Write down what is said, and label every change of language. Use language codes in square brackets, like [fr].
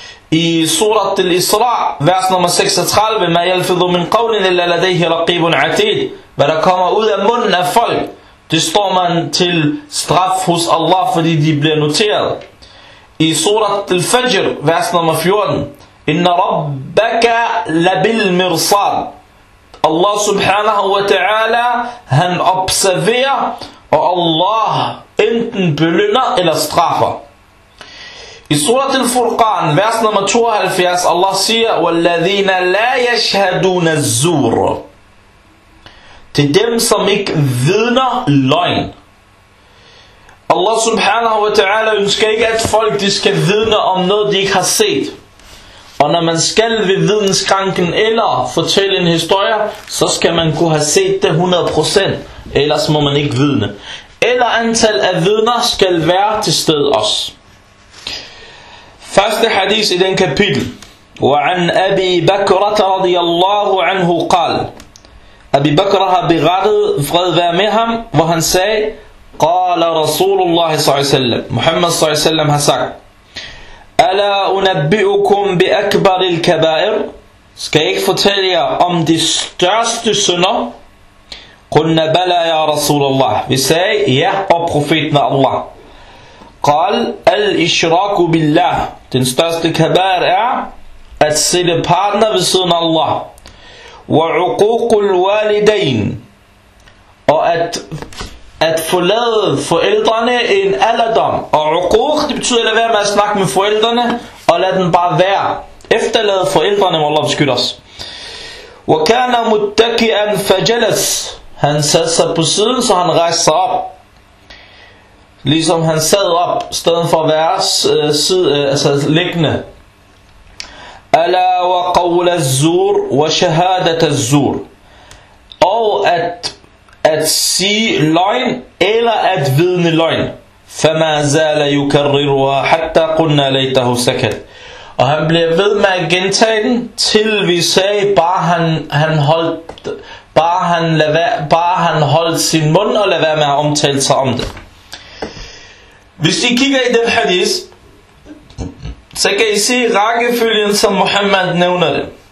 [da] I surat al-Isra, vers nummer 36: [ar] مَا يَلْفِظُ مِنْ قَوْلٍ إِلَّا لَدَيْهِ رَقِيبٌ عَتِيدٌ. [da] Hvad der kommer ud af munden af folk, det står man til straf hos Allah, fordi de bliver noteret. I surat al-Fajr, vers nummer 14: [ar] إِنَّ رَبَّكَ لَبِالْمِرْصَادِ. [da] Allah subhanahu wa ta'ala, han observerer, og Allah enten belønner eller straffer. I surat al-Furqan, vers nummer 72, Allah siger: [ar] وَالَّذِينَ لَا يَشْهَدُونَ الزُّورَ. [da] Til dem, som ikke vidner løgn. Allah subhanahu wa ta'ala ønsker ikke, at folk de skal vidne om noget, de ikke har set. Og når man skal ved vidneskranken eller fortælle en historie, så skal man kunne have set det 100%, ellers må man ikke vidne. Eller antal af vidner skal være til stede også. Første hadith i den kapitel. [ar] وعن أبي بكرة رضي الله عنه قال. [da] أبي بكرة har berettet fred være med ham, hvor han sagde: [ar] قال رسول الله صلى الله عليه وسلم. Muhammad صلى الله عليه وسلم [da] har sagt: [ar] ألا أنبئكم بأكبر الكبائر. [da] Skal jeg ikke fortælle jer om de største synder? [ar] قلنا بلى يا رسول الله. [da] Vi sagde: ja, og profeten af Allah. [ar] قال: الإشراك بالله. [da] Den største kabar er at sætte partner ved siden af Allah. [ar] وَعُقُوقُ الْوَالِدَيْنِ. [da] Og at forlade forældrene en alderdom. Og uquq, det betyder at lade være med at snakke med forældrene, og lade den bare være. Efterlade forældrene, må Allah beskytte os. [ar] وَكَانَ مُتَّكِئًا فَجَلَسْ. [da] Han satte sig på siden, så han rejste sig op. Ligesom han sad op, i stedet for at være liggende. [ar] Ala wa qawla az-zur wa shahadat az-zur. [da] Og at sige løgn eller at vidne løgn. [ar] فما زال يكررها حتى قلنا ليته سكت. [da] Og han bliver ved med at gentage den, til vi sagde, bare han holdt sin mund og lade være med at omtale sig om det. Hvis I kigger i den hadith, så kan I se rækkefølgen, som Muhammad nævner det.